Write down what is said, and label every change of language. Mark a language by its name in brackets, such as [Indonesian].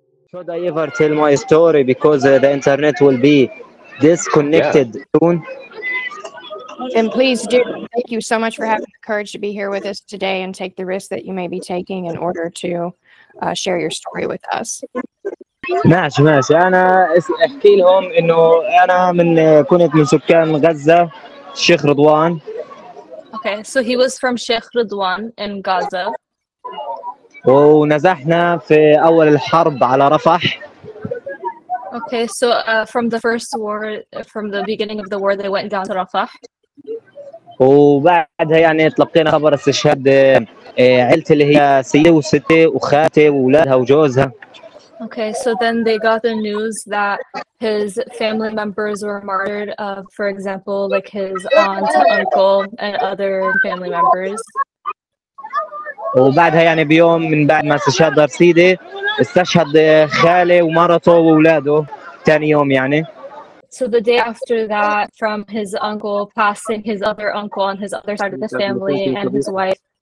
[English] Should I ever tell my story because the internet will be disconnected soon? And please do. Thank you so much for having the courage to be here with us today and take the risk that you may be taking in order to share your story with us. [Arabic] ماشي انا احكي لهم انه انا من كنت من سكان غزه الشيخ رضوان. [English] Okay, so he was from Sheikh Ridwan in Gaza. [Arabic] ونزحنا في اول الحرب على رفح. [English] Okay, so from the first war, from the beginning of the war, they went down to Rafah. [Arabic] وبعدها يعني تلقينا خبر استشهاد عيلتي اللي هي سيدي وستي وخاتي واولادها وجوزها. [English] Okay, so then they got the news that his family members were martyred, for example, like his aunt, uncle, and other family members. [Arabic] وبعدها يعني بيوم من بعد ما استشهد دار سيدي استشهد خالي ومرته واولاده ثاني يوم يعني. [English] So the day after that, from his uncle passing, his other uncle on his other side of the family and his wife.